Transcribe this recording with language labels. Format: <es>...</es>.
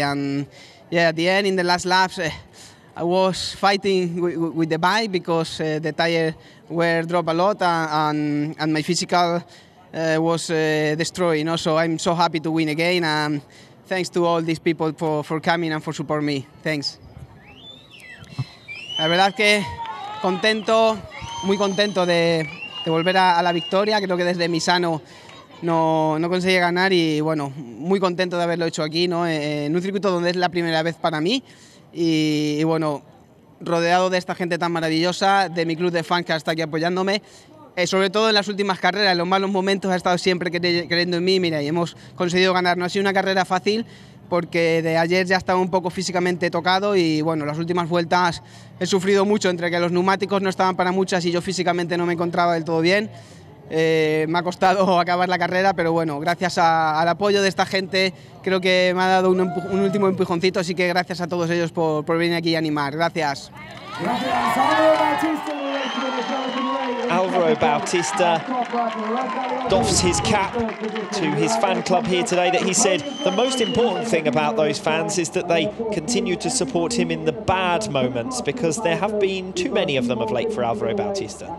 <en>And yeah, at the end, in the last laps, I was fighting with the bike because the tire were dropped a lot and my physical was destroyed, you know? So I'm so happy to win again. And thanks to all these people for coming and for supporting me. Thanks.</en> <es>La verdad que contento, muy contento de volver a la victoria. Creo que desde Misano no conseguí ganar y bueno, muy contento de haberlo hecho aquí, ¿no? En un circuito donde es la primera vez para mí y bueno, rodeado de esta gente tan maravillosa, de mi club de fans que está aquí apoyándome. Sobre todo en las últimas carreras, en los malos momentos ha estado siempre creyendo en mí. Mira, y hemos conseguido ganar. No ha sido una carrera fácil porque de ayer ya estaba un poco físicamente tocado y bueno, las últimas vueltas he sufrido mucho entre que los neumáticos no estaban para muchas y yo físicamente no me encontraba del todo bien. Me ha costado acabar la carrera, pero bueno, gracias al apoyo de esta gente creo que me ha dado un último empujoncito, así que gracias a todos ellos por venir aquí y animar. Gracias.</es> <en>Alvaro Bautista doffs his cap to his fan club here today, that he said the most important thing about those fans is that they continue to support him in the bad moments, because there have been too many of them of late for Alvaro Bautista.</en>